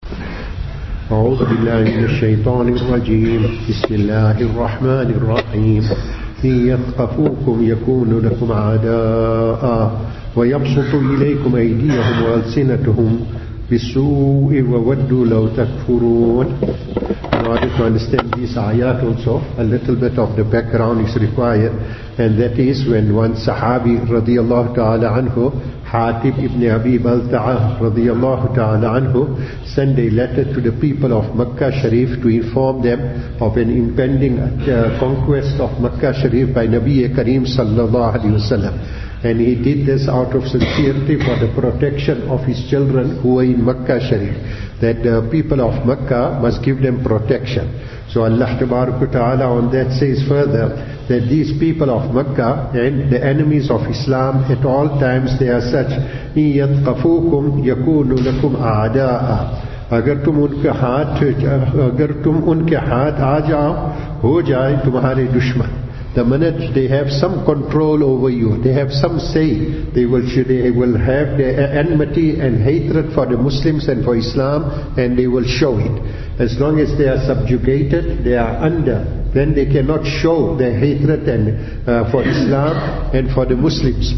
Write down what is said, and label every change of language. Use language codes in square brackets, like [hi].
[ar] أعوذ بالله من الشيطان الرجيم. بسم الله الرحمن الرحيم. إن يثقفوكم يكون لكم عداء ويبسطوا إليكم أيديهم وألسنتهم بالسوء وودوا لو تكفرون. [en] In order to understand these ayat also, a little bit of the background is required, and that is when one sahabi radiallahu ta'ala anhu, Hatib ibn Abi Balta'ah radiallahu ta'ala anhu, sent a letter to the people of Makkah Sharif to inform them of an impending conquest of Makkah Sharif by Nabi Kareem sallallahu alayhi wasallam. And he did this out of sincerity for the protection of his children who were in Makkah Sharif, that the people of Makkah must give them protection. So Allah Ta'ala on that says further that these people of Makkah and the enemies of Islam, at all times they are such, [ar] إِنْ يَتْقَفُوكُمْ يَكُونُ لَكُمْ أَعْدَاءً. [ur] اگر تم ان کے ہاتھ آ جاؤ ہو جائے تمہارے دشمن. [en] The minute they have some control over you, they have some say, they will have their enmity and hatred for the Muslims and for Islam, and they will show it. As long as they are subjugated, they are under, then they cannot show their hatred and for Islam and for the Muslims.